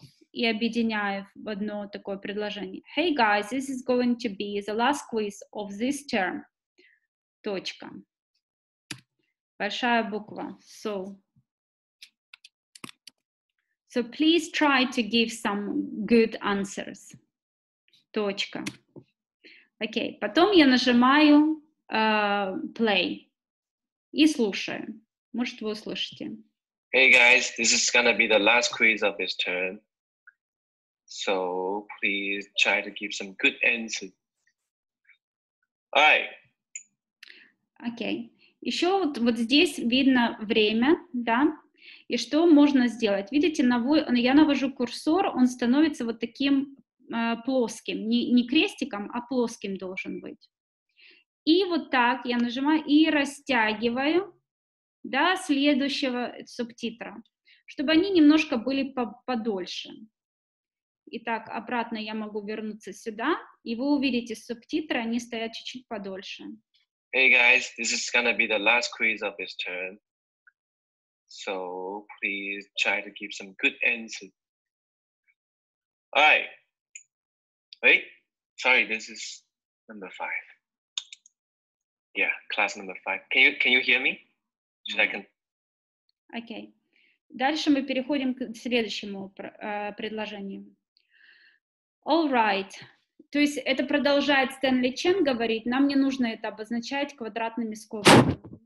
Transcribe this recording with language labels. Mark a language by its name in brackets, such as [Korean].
[Russian] и объединяю в одно такое предложение, [English] hey guys, this is going to be the last quiz of this term, [Russian] точка, большая буква, [English] so please try to give some good answers, [Russian] точка. Окей, потом я нажимаю play и слушаю. Может, вы услышите. [English] Hey guys, this is gonna be the last quiz of this term. So please try to give some good answers. Alright. [Russian] Окей. Еще вот здесь видно время, да? И что можно сделать? Видите, я навожу курсор, он становится вот таким плоским, не крестиком, а плоским должен быть. И вот так я нажимаю и растягиваю до следующего субтитра, чтобы они немножко были подольше. Итак, обратно я могу вернуться сюда, и вы увидите субтитры, они стоят чуть-чуть подольше. [English] Hey guys, this is gonna be the last quiz of this term. So please try to give some good answers. Alright. Wait, sorry, this is number 5. Yeah, class number 5. Can you hear me? Second. Okay. [Russian] Дальше мы переходим к следующему предложению. [English] All right. [Russian] То есть это продолжает Стэнли Чен говорить, нам не нужно это обозначать квадратными скобками.